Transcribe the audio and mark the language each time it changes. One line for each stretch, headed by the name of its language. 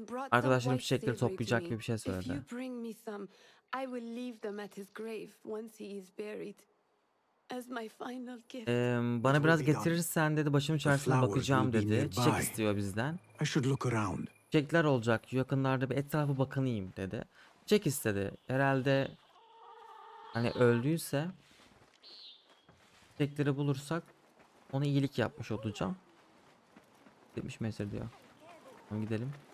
Turkish: Arkadaşlarım çiçekleri toplayacak gibi bir şey söyledi.
English: I will leave them at his grave once he is buried as my final gift.
Turkish: Bana biraz getirirsen dedi, başımın çaresine bakacağım dedi. Çiçek istiyor bizden.
English: I should look around.
Turkish: Çiçekler olacak. Yakınlarda bir etrafı bakınayım dedi. Çiçek istedi. Herhalde hani öldüyse çiçekleri bulursak ona iyilik yapmış olacağım. Demiş mesir diyor. Tamam, gidelim.